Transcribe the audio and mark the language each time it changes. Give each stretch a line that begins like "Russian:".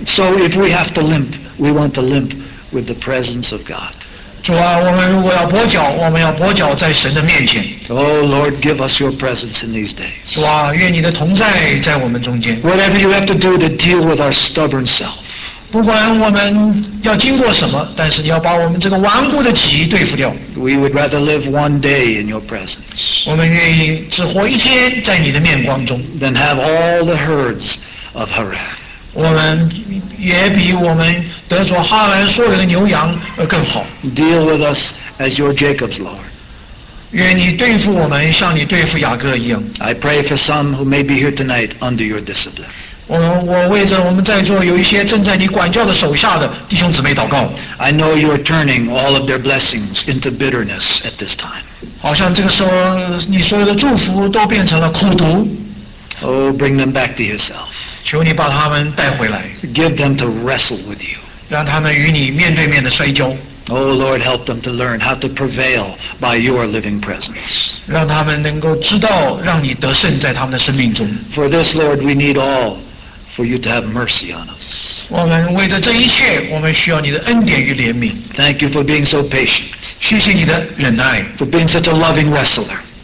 English: So if we have to limp, we want to limp with the presence of God.
Chinese: 主啊，我们如果要跛脚，我们要跛脚在神的面前。
English: Oh Lord, give us your presence in these days.
Chinese: 主啊，愿你的同在在我们中间。
English: Whatever you have to do to deal with our stubborn self.
Chinese: 不管我们要经过什么，但是你要把我们这个顽固的己对付掉。
English: We would rather live one day in your presence.
Chinese: 我们愿意只活一天在你的面光中。
English: Than have all the herds of Haran.
Chinese: 我们也比我们得着哈兰所有的牛羊更好。
English: Deal with us as your Jacob's Lord.
Chinese: 愿你对付我们像你对付雅各一样。
English: I pray for some who may be here tonight under your discipline.
Chinese: 我为着我们在座有一些正在你管教的手下的弟兄姊妹祷告。
English: I know you are turning all of their blessings into bitterness at this time.
Chinese: 好像这个时候你所有的祝福都变成了苦毒。
English: Oh, bring them back to yourself.
Chinese: 求你把他们带回来。
English: Give them to wrestle with you.
Chinese: 让他们与你面对面的摔跤。
English: Oh Lord, help them to learn how to prevail by your living presence.
Chinese: 让他们能够知道让你得胜在他们的生命中。
English: For this, Lord, we need all. For you to have mercy on us.
Chinese: 我们为着这一切，我们需要你的恩典与怜悯。
English: Thank you for being so patient.
Chinese: 谢谢你的忍耐。
English: For being such a loving wrestler.